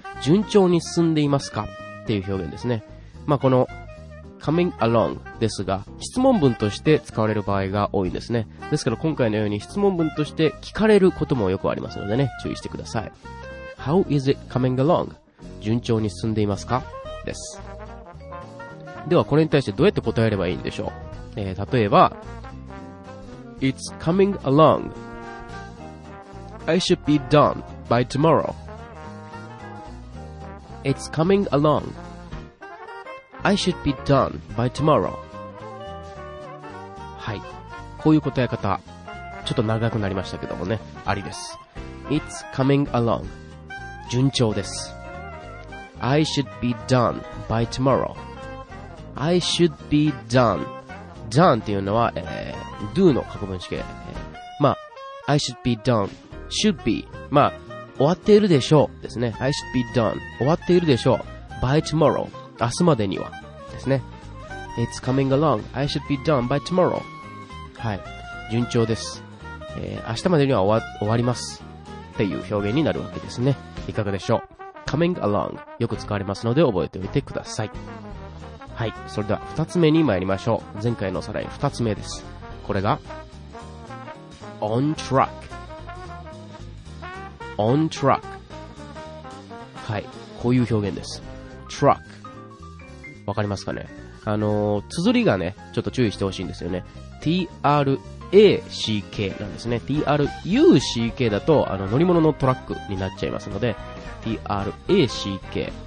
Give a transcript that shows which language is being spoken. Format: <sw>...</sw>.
<ja>順調に進んでいますかっていう表現ですね。まあこの coming along ですが、質問文として使われる場合が多いんですね。ですから今回のように質問文として聞かれることもよくありますのでね、注意してください。</ja> <en>How is it coming along?</en> <ja>順調に進んでいますかです。ではこれに対してどうやって答えればいいんでしょう。</ja> <en>例えば It's coming along. I should be done by tomorrow. It's coming alongI should be done by tomorrow.</en> <ja>はい。こういう答え方、ちょっと長くなりましたけどもね、ありです。</ja> <en>It's coming along.</en> <ja>順調です。</ja> <en>I should be done by tomorrow. I should be done.</en> <ja>Done っていうのは、do の過去分詞形。</ja> <en>まあ、I should be done. Should be.</en> <ja>まあ、終わっているでしょうですね。</ja> <en>I should be done.</en> <ja>終わっているでしょう。</ja> <en>By tomorrow.</en> <ja>明日までには。ですね。</ja> <en>It's coming along. I should be done by tomorrow.</en> <ja>はい、順調です。明日までには終わりますっていう表現になるわけですね。いかがでしょう。 Coming along よく使われますので覚えておいてください。はい、それでは2つ目に参りましょう。前回のおさらい2つ目です。これが on track。</ja> <en>on track。</en> <ja>はい、こういう表現です。 truck。 わかりますかね。綴りがね、ちょっと注意してほしいんですよね。T-R-A-C-K なんですね。 T-R-U-C-K だと、乗り物のトラックになっちゃいますので、T-R-A-C-K。</ja>